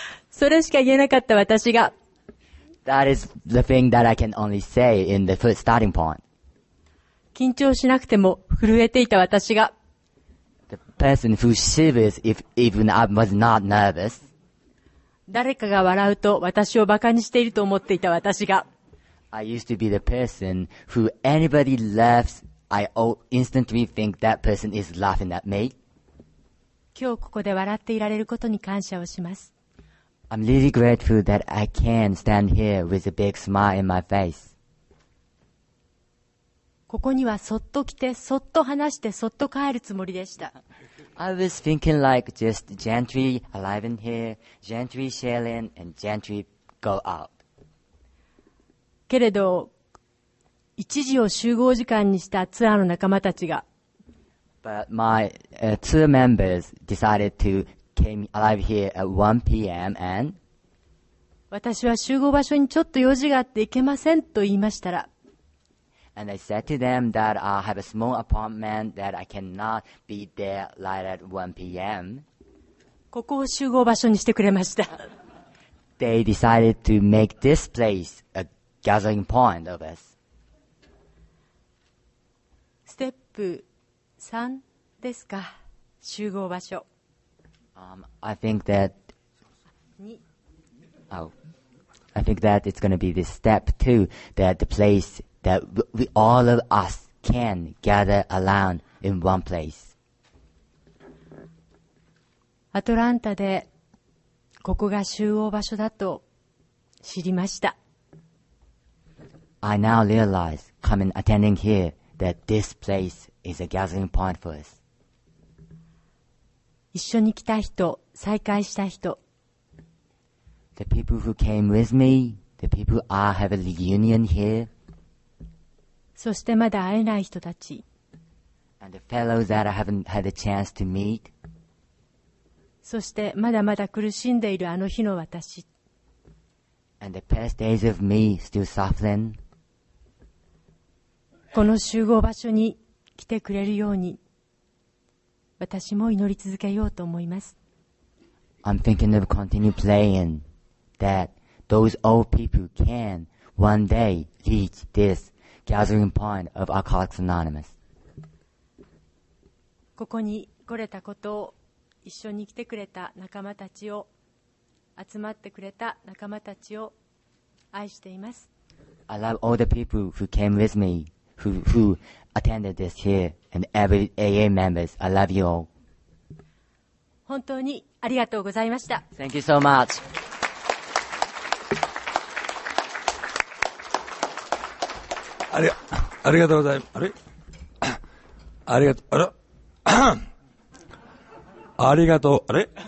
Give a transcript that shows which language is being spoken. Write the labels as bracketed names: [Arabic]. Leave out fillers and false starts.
[Japanese] それしか言えなかった私が。 [English] That is the thing that I can only say in the first starting point. [Japanese] 緊張しなくても震えていた私が。 [English] The person who shivers if even I was not nervous. [Japanese] 誰かが笑うと私をバカにしていると思っていた私が。 [English] I used to be the person who anybody laughs, I instantly think that person is laughing at me. [Japanese] 今日ここで笑っていられることに感謝をします。 [English] I'm really grateful that I can stand here with a big smile in my face. [Japanese] ここにはそっと来て、そっと話して、そっと帰るつもりでした。 [English] I was thinking like just gently arriving here, gently sharing and gently go out. [Japanese] けれど、一時を集合時間にしたツアーの仲間たちが、 [English] But my tour members decided to came arrive here at 1 p.m. and [Japanese] 私は集合場所にちょっと用事があって行けませんと言いましたら、 [English] And I said to them that I have a small appointment that I cannot be there right at 1 p.m. [Japanese] ここを集合場所にしてくれました。 [English] They decided to make this place a gathering point of us. [Japanese] ステップ3ですか、集合場所。 [English] I think that 2 Oh. I think that it's going to be this step 2 that the placeThat we all of us can gather around in one place. [Japanese] アトランタでここが集合場所だと知りました。 [English] I now realize, coming attending here, that this place is a gathering point for us. [Japanese] 一緒に来た人、再会した人。 [English] The people who came with me, the people I have a reunion here. [Japanese] そしてまだ会えない人たち。 [English] And the fellows that I haven't had a chance to meet. [Japanese] そしてまだまだ苦しんでいるあの日の私。 [English] And the past days of me still suffering. [Japanese] この集合場所に来てくれるように、私も祈り続けようと思います。 [English] I'm thinking of continue praying that those old people can one day reach this. Gathering point of Alcoholics Anonymous. [Japanese] ここに来れたことを、一緒に来てくれた仲間たちを、集まってくれた仲間たちを愛しています。 [English] I love all the people who came with me, who attended this here, and every AA members. I love you all. [Japanese] 本当にありがとうございました。 [English] Thank you so much. [Japanese] ありがとうございます。あれ？ありがとう、あら、ありがとう、あれ？